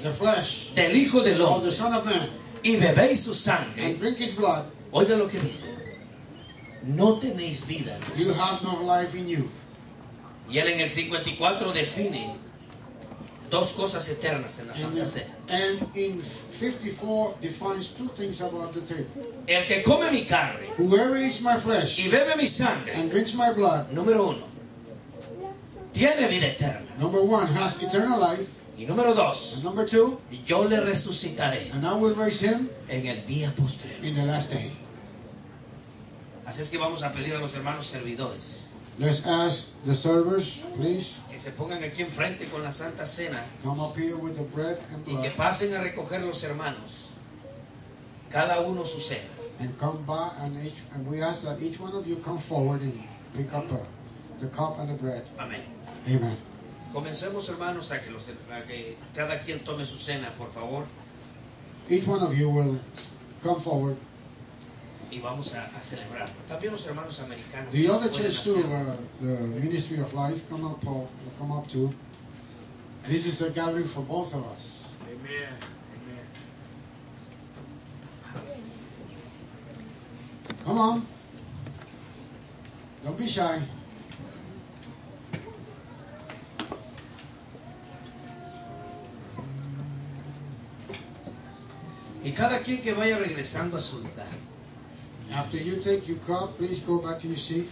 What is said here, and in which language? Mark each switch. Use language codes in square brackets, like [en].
[en] the flesh [es] del Hijo del Hombre [en] of the Son of Man, [es] y bebéis su sangre, [en] and drink his blood, [es] oiga lo que dice. No tenéis vida. [en] You have no life in you. [es] Y él en el 54 define dos cosas eternas en la Santa Cena. [en] And in 54 defines two things about the table. [es] El que come mi carne, [en] whoever eats my flesh, [es] y bebe mi sangre, [en] and drinks my blood, [es] número uno, tiene vida eterna. [en] Number one, has eternal life. [es] Y número dos, [en] and number two, [es] yo le resucitaré, [en] and I will raise him, [es] en el día postrero, [en] in the last day. [es] Así es que vamos a pedir a los hermanos servidores. [en] Let's ask the servers, please. [es] Que se pongan aquí enfrente con la Santa Cena. [en] Come up here with the bread and blood. [es] Y que pasen a recoger los hermanos. Cada uno su cena. [en] And come by and each, and we ask that each one of you come forward and pick up the cup and the bread. Amen. Amen. [es] Comencemos, hermanos, a que los, a que cada quien tome su cena, por favor. [en] Each one of you will come forward. [es] Y vamos a celebrar. También los hermanos americanos. [en] The other church too, the Ministry of Life, come up too. This is a gathering for both of us. Amen. Come on. Don't be shy. [es] Y cada quien que vaya regresando a su lugar. [en] After you take your cup, please go back to your seat.